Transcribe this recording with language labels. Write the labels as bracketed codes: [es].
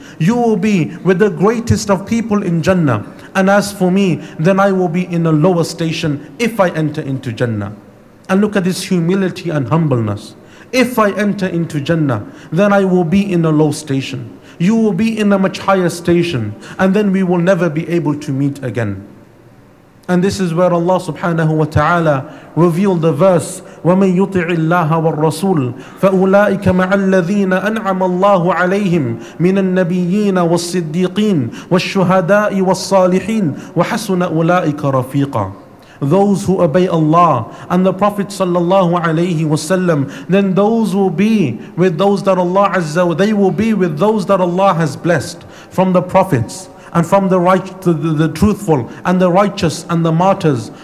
[en] You will be with the greatest of people in Jannah. And as for me, then I will be in a lower station if I enter into Jannah." And look at this humility and humbleness. If I enter into Jannah, then I will be in a low station. You will be in a much higher station. And then we will never be able to meet again. And this is where Allah subhanahu wa ta'ala revealed the verse, [ar] وَمَنْ يُطِعِ اللَّهَ وَالرَّسُولِ فَأُولَٰئِكَ مَعَ الَّذِينَ أَنْعَمَ اللَّهُ عَلَيْهِمْ مِنَ النَّبِيِّينَ وَالصِّدِّيقِينَ وَالشُّهَدَاءِ وَالصَّالِحِينَ وَحَسُنَ أُولَٰئِكَ رَفِيقًا. [en] Those who obey Allah and the Prophet sallallahu alayhi wasallam, then those will be with those that Allah azza, they will be with those that Allah has blessed from the prophets and from the right, the truthful and the righteous and the martyrs.